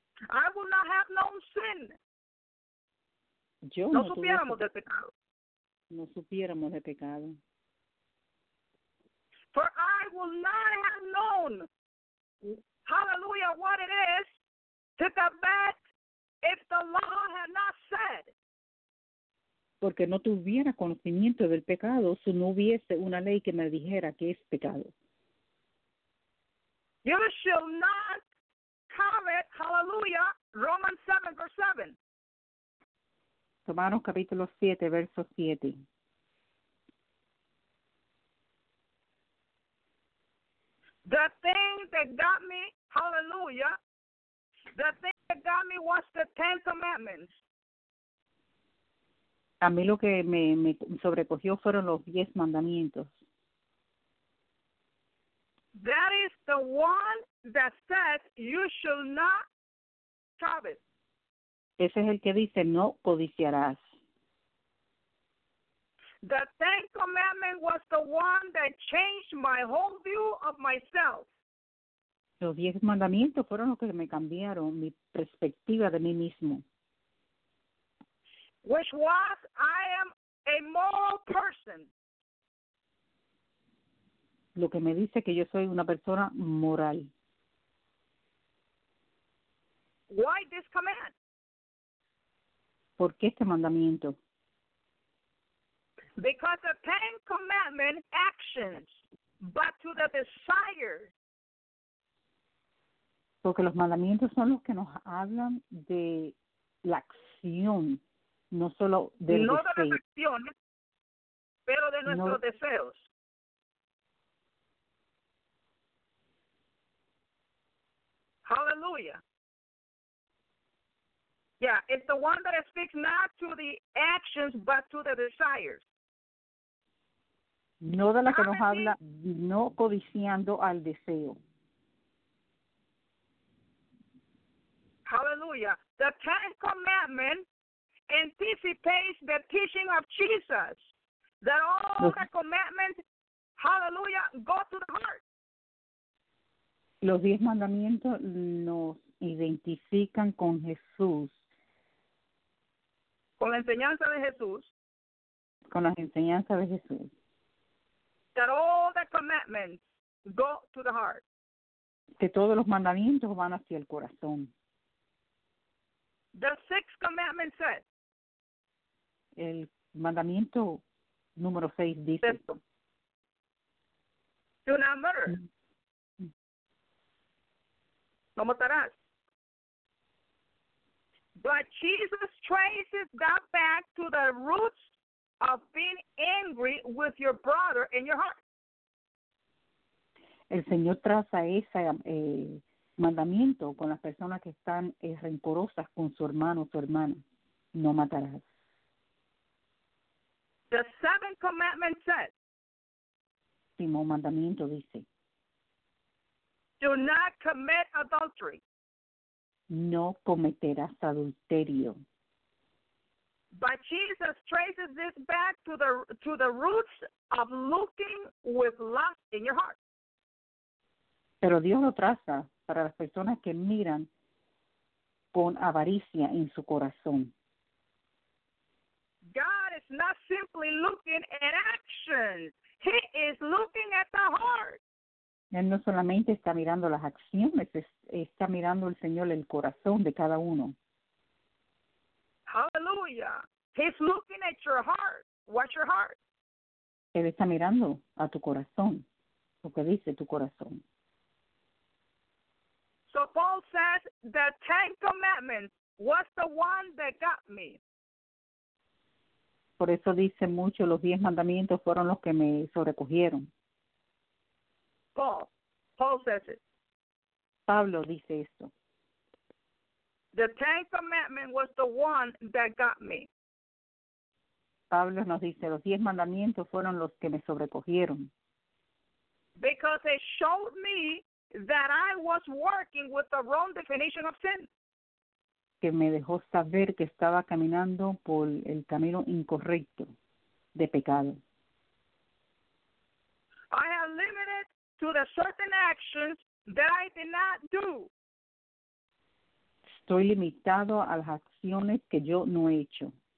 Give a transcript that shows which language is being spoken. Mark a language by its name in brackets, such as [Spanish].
[English] I will not have known sin. [Spanish] Yo no supiéramos de pecado. No supiéramos de pecado. [English] For I will not have known, hallelujah, what it is to covet if the law had not said. [Spanish] Porque no tuviera conocimiento del pecado si no hubiese una ley que me dijera que es pecado. [English] You shall not covet, hallelujah, Romans 7, verse 7. [Spanish] Romanos capítulo 7, verso 7. [English] The thing that got me, hallelujah, the thing that got me was the Ten Commandments. [Spanish] A mí lo que me sobrecogió fueron los 10 mandamientos. [English] That is the one that says you shall not covet. [Spanish] Ese es el que dice no codiciarás. [English] The Ten Commandments was the one that changed my whole view of myself. [Spanish] Los 10 mandamientos fueron los que me cambiaron mi perspectiva de mí mismo. [English] Which was, I am a moral person. [Spanish] Lo que me dice que yo soy una persona moral. [English] Why this command? [Spanish] ¿Por qué este mandamiento? [English] Because the Ten Commandments actions, but to the desire. [Spanish] Porque los mandamientos son los que nos hablan de la acción, no solo de no deseo. De las acciones, pero de nuestros deseos. [English] Hallelujah. Yeah, it's the one that speaks not to the actions, but to the desires. [Spanish] No de la que nos habla, no codiciando al deseo. [English] Hallelujah. The Ten Commandments anticipates the teaching of Jesus. That all the commandments, hallelujah, go to the heart. [Spanish] Los 10 mandamientos nos identifican con Jesús. Con la enseñanza de Jesús. Con las enseñanzas de Jesús. [English] That all the commandments go to the heart. [Spanish] Que todos los mandamientos van hacia el corazón. [English] The sixth commandment says. [Spanish] El mandamiento número 6 dice. Sexto. [English] Do not murder. [Spanish] No matarás. [English] But Jesus traces that back to the roots of being angry with your brother in your heart. [Spanish] El Señor traza ese mandamiento con las personas que están rencorosas con su hermano o su hermana. No matarás. [English] The seventh commandment says. [Spanish] Último mandamiento dice. [English] Do not commit adultery. [Spanish] No cometerás adulterio. [English] But Jesus traces this back to the roots of looking with lust in your heart. [Spanish] Pero Dios lo traza para las personas que miran con avaricia en su corazón. [English] God is not simply looking at actions. He is looking at the heart. [Spanish] Él no solamente está mirando las acciones, está mirando el Señor el corazón de cada uno. [English] Hallelujah. He's looking at your heart. What's your heart? [Spanish] Él está mirando a tu corazón, lo que dice tu corazón. [English] So Paul says the Ten Commandments was the one that got me. [Spanish] Por eso dice mucho, los 10 mandamientos fueron los que me sobrecogieron. [English] Paul. Paul says it. [Spanish] Pablo dice esto. [English] The Ten Commandments was the one that got me. [Spanish] Pablo nos dice, los diez mandamientos fueron los que me sobrecogieron. [English] Because it showed me that I was working with the wrong definition of sin. [Spanish] Que me dejó saber que estaba caminando por el camino incorrecto de pecado. [English] I have limited to the certain actions that I did not do. [Spanish] Estoy limitado a las acciones que yo no he hecho.